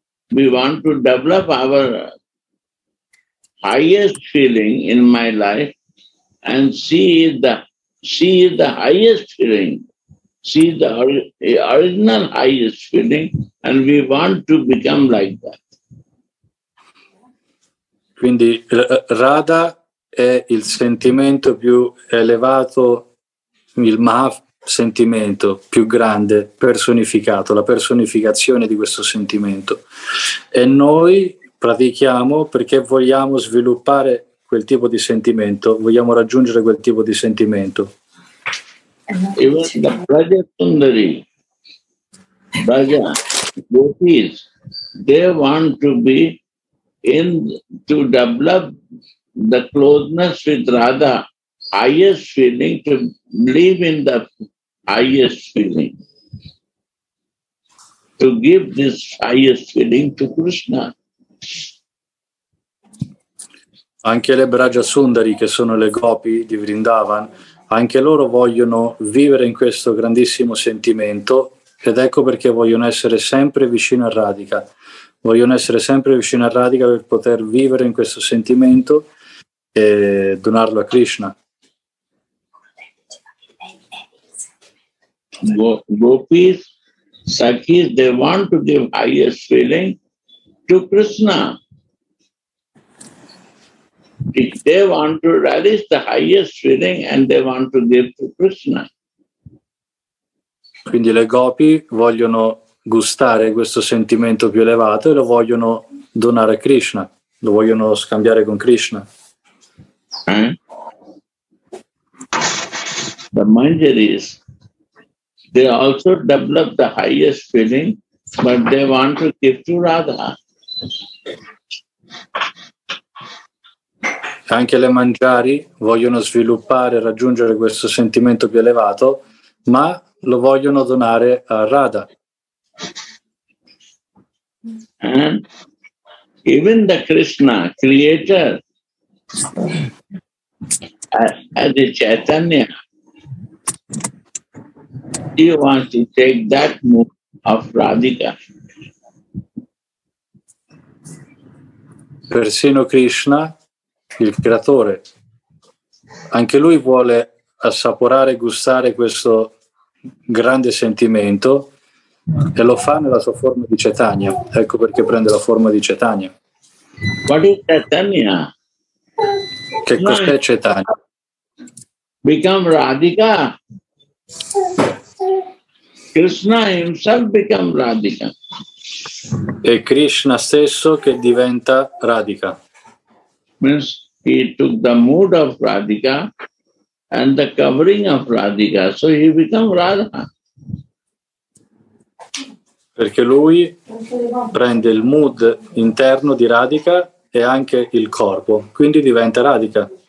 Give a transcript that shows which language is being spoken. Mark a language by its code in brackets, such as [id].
[en] We want to develop our highest feeling in my life, and she is the highest feeling. See the original highest feeling, and we want to become like that. [it] Quindi Radha è il sentimento più elevato, il maha sentimento più grande, personificato, la personificazione di questo sentimento. E noi pratichiamo perché vogliamo sviluppare quel tipo di sentimento, vogliamo raggiungere quel tipo di sentimento. [en] Even the Braja Sundari, Braja, gopis, they want to be in, to develop the closeness with Radha, highest feeling, to live in the highest feeling, to give this highest feeling to Krishna. [it] anche le Braja Sundari, che sono le gopi di Vrindavan, anche loro vogliono vivere in questo grandissimo sentimento, ed ecco perché vogliono essere sempre vicino a Radhika. Vogliono essere sempre vicino a Radhika per poter vivere in questo sentimento e donarlo a Krishna. [en] Gopis, Sakis, they want to give highest feeling to Krishna. They want to realize the highest feeling and they want to give to Krishna. [it] Quindi le gopi vogliono gustare questo sentimento più elevato e lo vogliono donare a Krishna, lo vogliono scambiare con Krishna. [en] The Manjaris, they also develop the highest feeling, but they want to give to Radha. [it] Anche le Manjari vogliono sviluppare e raggiungere questo sentimento più elevato, ma lo vogliono donare a Radha. [en] And even the Krishna, creator, as a Chaitanya, he wants to take that move of Radhika. [it] Persino Krishna, il creatore, anche lui vuole assaporare e gustare questo grande sentimento e lo fa nella sua forma di Chaitanya. Ecco perché prende la forma di Chaitanya. [en] What is Chaitanya? [it] Che cos'è Chaitanya? [en] Become Radhika. Krishna himself become Radhika. [it] E Krishna stesso che diventa Radhika. [en] Means he took the mood of Radhika and the covering of Radhika, so he became Radha. [it] Perché lui prende il mood interno di Radhika e anche il corpo, quindi diventa Radhika.